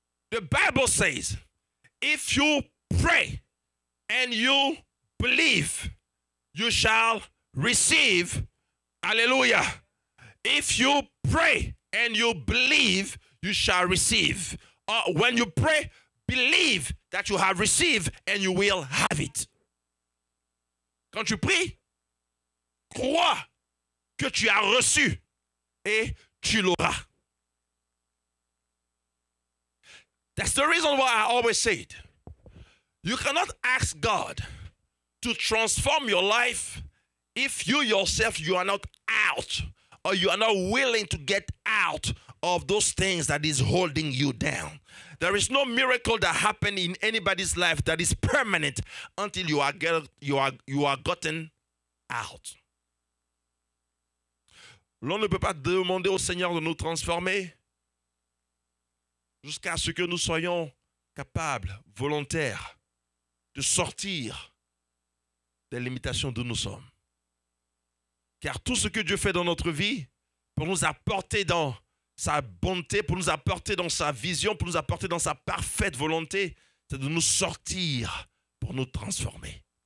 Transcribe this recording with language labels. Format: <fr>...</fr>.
<en>The Bible says, if you pray and you believe, you shall receive. Hallelujah. If you pray and you believe, you shall receive. When you pray, believe that you have received and you will have it.</en> <fr>Quand tu pries, crois que tu as reçu et tu l'auras.</fr> <en>That's the reason why I always said, you cannot ask God to transform your life if you yourself, you are not out or you are not willing to get out of those things that is holding you down. There is no miracle that happened in anybody's life that is permanent until you are gotten out.</en> <fr>L'on ne peut pas demander au Seigneur de nous transformer jusqu'à ce que nous soyons capables, volontaires, de sortir des limitations d'où nous sommes. Car tout ce que Dieu fait dans notre vie pour nous apporter dans sa bonté, pour nous apporter dans sa vision, pour nous apporter dans sa parfaite volonté, c'est de nous sortir pour nous transformer.</fr>